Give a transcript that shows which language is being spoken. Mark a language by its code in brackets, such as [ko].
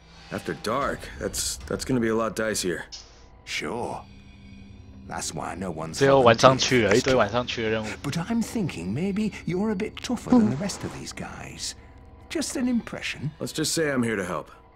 [en] After dark, that's gonna be a lot dicier. Sure. That's why no one's. [zh] 最后晚上去了一堆晚上去的任务。 [en] But I'm thinking maybe you're a bit tougher than the rest of these guys. Just an impression. Let's just say I'm here to help.